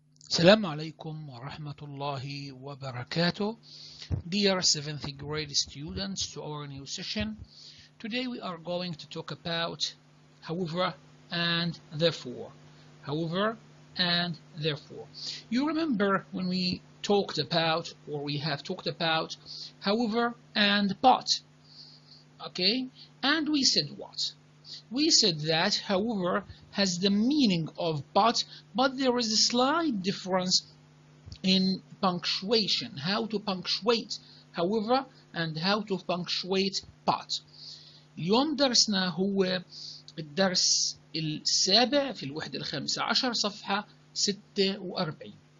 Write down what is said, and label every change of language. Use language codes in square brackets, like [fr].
[ar] السلام عليكم ورحمة الله وبركاته. [en] Dear 7th grade students, to our new session. Today we are going to talk about however and therefore. However and therefore. You remember when we talked about, or we have talked about, however and but. Okay? And we said what? We said that however has the meaning of but there is a slight difference in punctuation, how to punctuate however and how to punctuate but. [ar] اليوم درسنا هو الدرس السابع في الوحدة الخامسة عشر صفحة 46.